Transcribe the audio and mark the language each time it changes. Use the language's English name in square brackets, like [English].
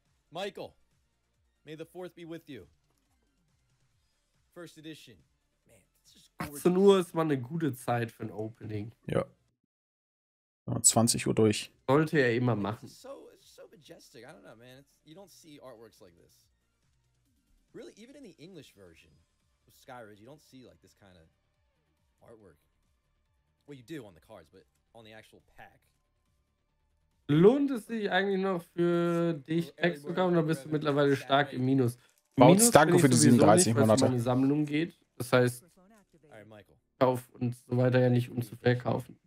[English] Michael, may the fourth be with you. First edition. [German] 18 Uhr ist mal eine gute Zeit für ein Opening. Ja. 20 Uhr durch. Sollte er immer machen. [English] So majestic. I don't know, man. You don't see artworks like this. Really, even in the English version of Skyridge, you don't see like this kind of artwork. Well, you do on the cards, but on the actual pack. [German] Lohnt es sich eigentlich noch für dich Packs zu kaufen, oder bist du mittlerweile stark im Minus? Bautz, danke für die 37 Monate. Um die Sammlung geht. Das heißt, Kauf und so weiter ja nicht, um zu verkaufen.